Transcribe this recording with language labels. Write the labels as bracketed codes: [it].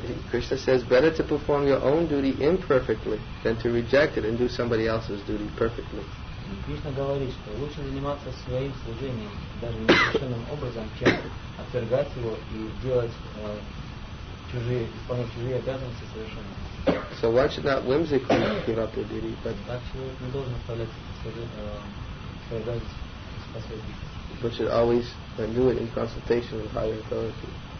[en] Krishna says, better to perform your own duty imperfectly than to reject it and do somebody else's duty perfectly. [ru] Кришна говорит, что лучше заниматься своим служением, даже неправильным образом, чем отвергать его и делать исполнять чужие обязанности совершенно. [en] So why should not whimsically give up your duty? But [ru] так человек не должен оставлять свою обязанность. [en] But should always do it in consultation with higher authority.